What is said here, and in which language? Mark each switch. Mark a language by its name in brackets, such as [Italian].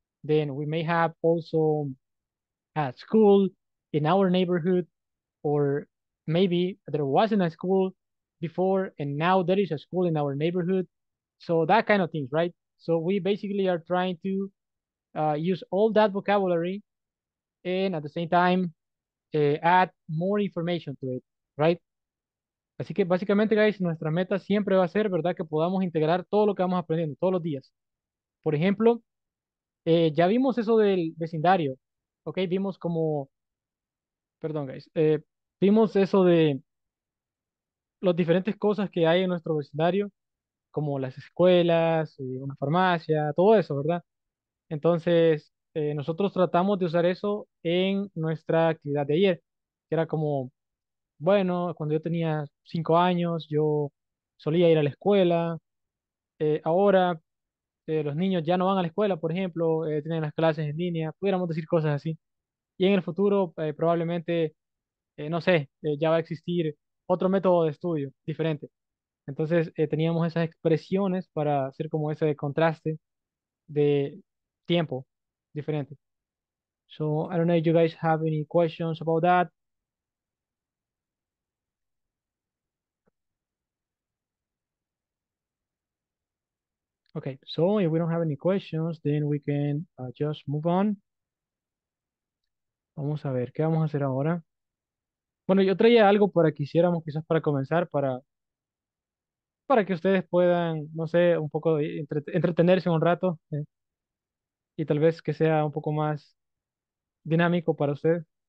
[English] Then we may have also a school in our neighborhood, or maybe there wasn't a school before and now there is a school in our neighborhood. So that kind of things, right? So we basically are trying to use all that vocabulary and at the same time add more information to it, right? [Spanish] Así que básicamente, guys, nuestra meta siempre va a ser, ¿verdad?, que podamos integrar todo lo que vamos aprendiendo todos los días. Por ejemplo, ya vimos eso del vecindario, ¿ok? Vimos como... Perdón, guys. Vimos eso de las diferentes cosas que hay en nuestro vecindario, como las escuelas, una farmacia, todo eso, ¿verdad? Entonces, nosotros tratamos de usar eso en nuestra actividad de ayer, que era como, bueno, cuando yo tenía 5 años, yo solía ir a la escuela. Ahora, los niños ya no van a la escuela, por ejemplo, tienen las clases en línea, pudiéramos decir cosas así. Y en el futuro, probablemente, no sé, ya va a existir otro método de estudio diferente. Entonces, teníamos esas expresiones para hacer como ese contraste de tiempo diferente. [English] So, I don't know if you guys have any questions about that. Okay, so if we don't have any questions, then we can just move on. [Spanish] Vamos a ver, ¿qué vamos a hacer ahora? Bueno, yo traía algo para que hiciéramos quizás para comenzar, para que ustedes puedan, no sé, un poco entretenerse un rato, y tal vez que sea un poco más dinámico para ustedes.